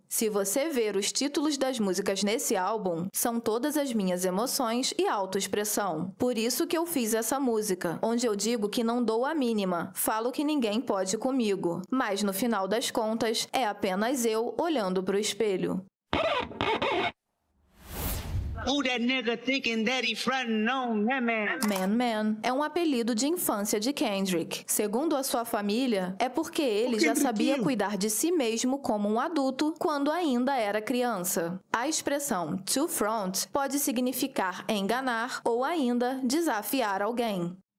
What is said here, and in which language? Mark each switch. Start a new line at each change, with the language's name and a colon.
Portuguese: Se você ver os títulos das músicas nesse álbum, são todas as minhas emoções e autoexpressão. Por isso que eu fiz essa música, onde eu digo que não dou a mínima, falo que ninguém pode comigo. Mas no final das contas, é apenas eu olhando pro espelho.
English: Who that nigga thinking that he frontin' on, man?
Portuguese: Man é um apelido de infância de Kendrick. Segundo a sua família, é porque ele já sabia cuidar de si mesmo como um adulto quando ainda era criança. A expressão to front pode significar enganar ou ainda desafiar alguém.